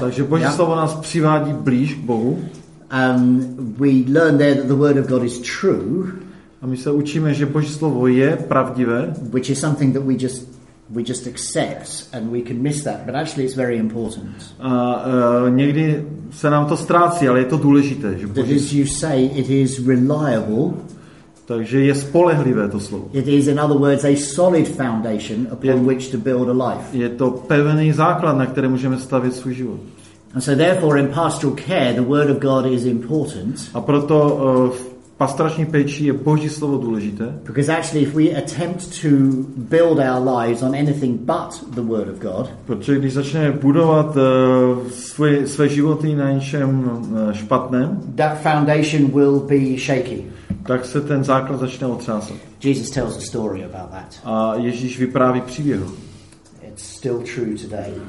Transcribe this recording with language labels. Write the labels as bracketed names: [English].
[Czech] Takže Boží slovo nás přivádí blíž k Bohu. [English] We learn there that the word of God is true. [Czech] A my se učíme, že Boží slovo je pravdivé. [English] Which is something that we just accept and we can miss that, but actually it's very important. [Czech] Někdy se nám to ztrácí, ale je to důležité, že Boží. [English] As you say, it is reliable. [Czech] Takže je spolehlivé to slovo. [English] It is, in other words, a solid foundation upon which to build a life. [Czech] Je to pevný základ, na kterém můžeme stavět svůj život. [English] And so therefore in pastoral care the word of God is important. [Czech] A proto v pastorační péči je Boží slovo důležité. [English] Because actually if we attempt to build our lives on anything but the word of God. [Czech] Protože když začneme budovat své životy na něčem špatném, [English] that foundation will be shaky. [Czech] Tak se ten základ začne otřásat. [English] Jesus tells a story about that. [Czech] A Ježíš vypráví příběh. [English] It's still true today.